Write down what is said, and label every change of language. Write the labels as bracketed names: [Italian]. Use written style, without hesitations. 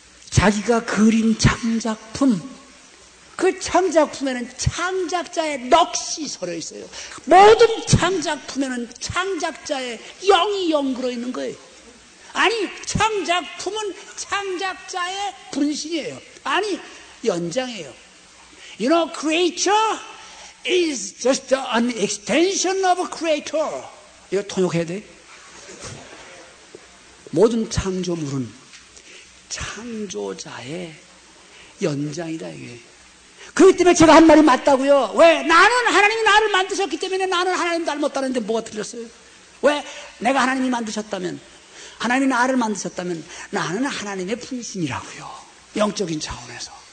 [Korean] 자기가 그린 창작품, 그 창작품에는 창작자의 넋이 서려 있어요. 모든 창작품에는 창작자의 영이 연결어 있는 거예요. 아니, 창작품은 창작자의 분신이에요. 아니, 연장이에요. [English] You know, creature is just an extension of a creator. [Korean] 이거 통역해야 돼. 모든 창조물은 창조자의 연장이다, 이게. 그렇기 때문에 제가 한 말이 맞다고요. 왜? 나는 하나님이 나를 만드셨기 때문에 나는 하나님 닮았다는데 뭐가 틀렸어요? 왜? 내가 하나님이 만드셨다면, 하나님이 나를 만드셨다면 나는 하나님의 분신이라고요. 영적인 차원에서.